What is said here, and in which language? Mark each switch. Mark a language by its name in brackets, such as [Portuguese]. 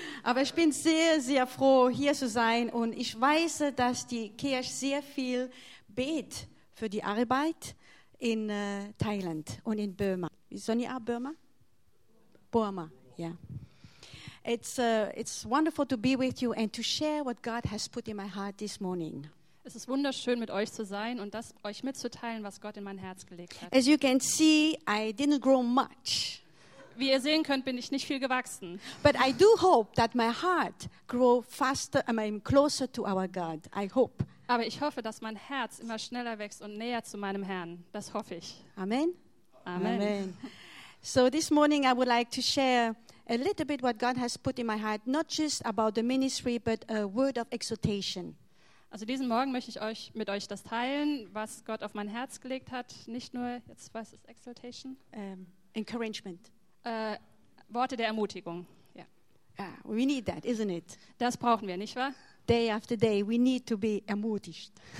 [German] Aber ich bin sehr, sehr froh, hier zu sein. Und ich weiß, dass die Kirche sehr viel betet für die Arbeit in Thailand und in Burma. Sonja, Burma? Burma, ja. Yeah. [English] It's wonderful to be with you and to share what God has put in my heart this morning. [German] Es ist wunderschön, mit euch zu sein und das euch mitzuteilen, was Gott in mein Herz gelegt hat. [English] As you can see, I didn't grow much. [German] Wie ihr sehen könnt, bin ich nicht viel gewachsen. [English] But I do hope that my heart grow faster and I'm closer to our God. I hope. [German] Aber ich hoffe, dass mein Herz immer schneller wächst und näher zu meinem Herrn. Das hoffe ich. Amen. Amen. Amen. [English] So this morning I would like to share a little bit what God has put in my heart, not just about the ministry, but a word of exhortation. [German] Also diesen Morgen möchte ich euch mit euch das teilen, was Gott auf mein Herz gelegt hat, nicht nur jetzt was ist exhortation? [English] Encouragement. [German] Worte der Ermutigung. Ja. [English] Yeah. We need that, isn't it? [German] Das brauchen wir, nicht wahr? [English] Day after day we need to be ermutigt.